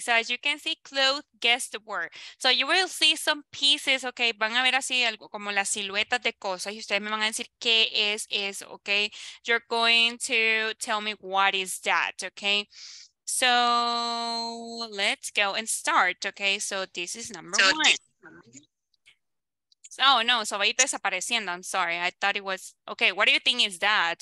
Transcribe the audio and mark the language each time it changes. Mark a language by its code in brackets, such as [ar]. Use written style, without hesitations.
[en] So as you can see, clothes, guess the word. So you will see some pieces, okay? [es] Van a ver así algo como las siluetas de cosas y ustedes me van a decir qué es eso, okay? [en] You're going to tell me what is that, okay? So let's go and start, okay? So this is number one. Oh, no, so [es] va a ir desapareciendo. [en] I'm sorry. I thought it was, okay, what do you think is that?